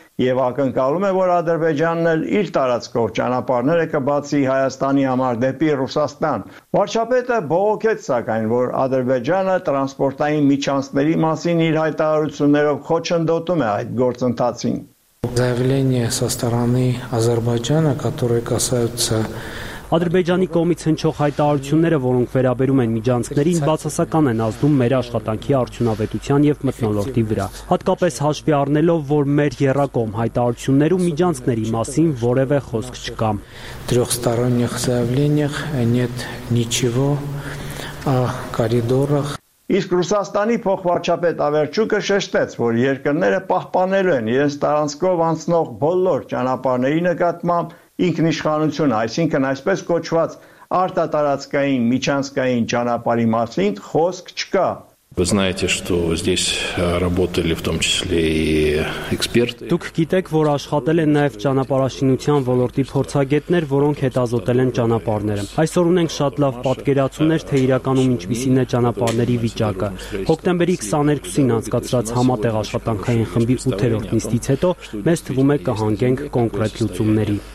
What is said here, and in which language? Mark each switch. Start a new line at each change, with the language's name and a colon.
Armenian: և ակնկալում է, որ Ադրբեջանն էլ իր տարածքով ճանապարհները կբացի Հայաստանի համար դեպի Ռուսաստան։ Վարչապետը բողոքեց, սակայն, որ Ադրբեջանը տրանսպորտային միջանցքների մասին իր հայտարարություններով խոչընդոտում է այդ գործընթացին։
Russian: Заявление со стороны Азербайджана, которое касается
Armenian: Ադրբեջանի կողմից հնչող հայտարարությունները, որոնք վերաբերում են միջանցքներին, բացասական են ազդում մեր աշխատանքի արդյունավետության և մթնոլորտի վրա, հատկապես հաշվի առնելով, որ մեր երակողմ հայտարարություններում միջանցքների մասին որևէ խոսք չկա։
Russian: Трёхсторонних заявлениях нет ничего о коридорах.
Armenian: Իսկ Ռուսաստանի փոխվարչապետ Ավերչուկը շեշտեց, որ երկրները պահպանելու են իրենց տարածքով անցնող բոլոր ճանապարհների նկատմամբ ինքնիշխանություն, այսինքն այսպես կոչված արտատարածքային միջանցքային ճանապարհի մասին խոսք չկա։
Russian: Вы знаете, что здесь работали в том числе и эксперты.
Armenian: Դուք գիտեք, որ աշխատել են նաև ճանապարհաշինության ոլորտի փորձագետներ, որոնք հետազոտել են ճանապարհները։ Այսօր ունենք շատ լավ պատկերացումներ, թե իրականում ինչպիսին է ճանապարհների վիճակը։ Հոկտեմբերի 22-ին անցկացրած համատեղ աշխատանքային խմբի 8-րդ նիստից հետո մեզ թվում է կհանգենք կոնկրետ լուծումների։